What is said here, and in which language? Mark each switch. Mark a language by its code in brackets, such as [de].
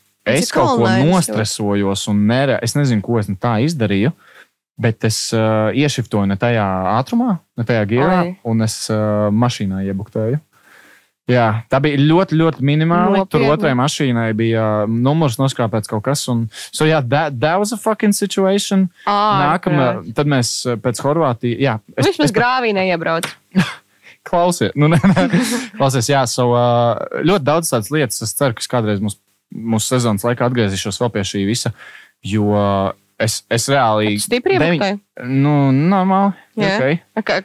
[lv] es kaut ko nostresojos un es nezinu, ko es tā izdarīju, bet es iešiftoju ne tajā ātrumā, ne tajā gīrā, un es mašīnā iebuktēju. Jā, tā bija ļoti, ļoti minimāli. Nopietni. Tur otrai mašīnai bija numurs noskāpēts kaut kas. [en] Un, so, jā, that was a fucking situation. [lv] Nākamā, tad mēs pēc Horvātijas... Jā, viņš mēs grāvī neiebrauc. Klausies. Nu, ne. Klausies, jā. So, ļoti daudz tādas lietas. Es ceru, ka kādreiz mūsu sezonas laikā atgriezīšos vēl pie šī visa. Jo es reāli... Tu stipri iebūtai? Nu, normāli. Jā, okay.